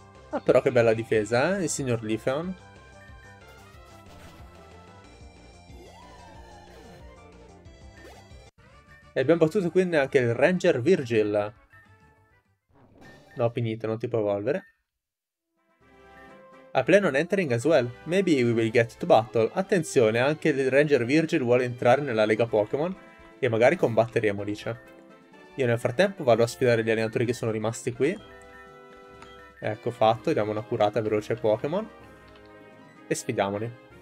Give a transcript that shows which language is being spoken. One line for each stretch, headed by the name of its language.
Italian: Ah, però che bella difesa, il signor Leafeon. E abbiamo battuto quindi anche il Ranger Virgil. No, finito, non ti puoi evolvere.
English: I plan on entering as well. Maybe we will get to battle.
Italian: Attenzione, anche il Ranger Virgil vuole entrare nella Lega Pokémon. E magari combatteremo, dice. Io nel frattempo vado a sfidare gli allenatori che sono rimasti qui. Ecco fatto, diamo una curata veloce ai Pokémon. E sfidiamoli.